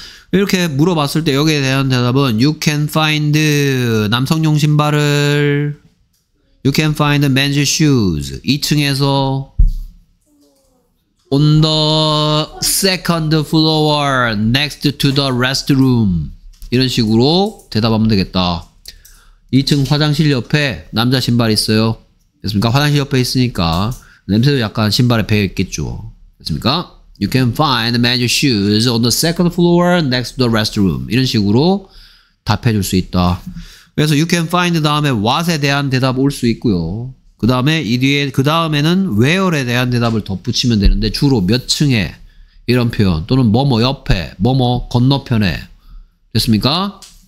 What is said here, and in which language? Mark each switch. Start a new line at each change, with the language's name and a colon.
Korean: 이렇게 물어봤을 때 여기에 대한 대답은
English: You can find
Korean: 남성용 신발을
English: You can find men's shoes
Korean: 2층에서
English: On the second floor next to the restroom
Korean: 이런 식으로 대답하면 되겠다. 2층 화장실 옆에 남자 신발 있어요. 됐습니까? 화장실 옆에 있으니까 냄새도 약간 신발에 배어 있겠죠. 됐습니까?
English: You can find men's shoes on the second floor next to the restroom.
Korean: 이런 식으로 답해 줄 수 있다. 그래서
English: you can find
Korean: 다음에 what에 대한 대답 올 수 있고요. 그 다음에 이 뒤에, 그 다음에는 where에 대한 대답을 덧붙이면 되는데 주로 몇 층에 이런 표현 또는 뭐뭐 옆에, 뭐뭐 건너편에. 됐습니까?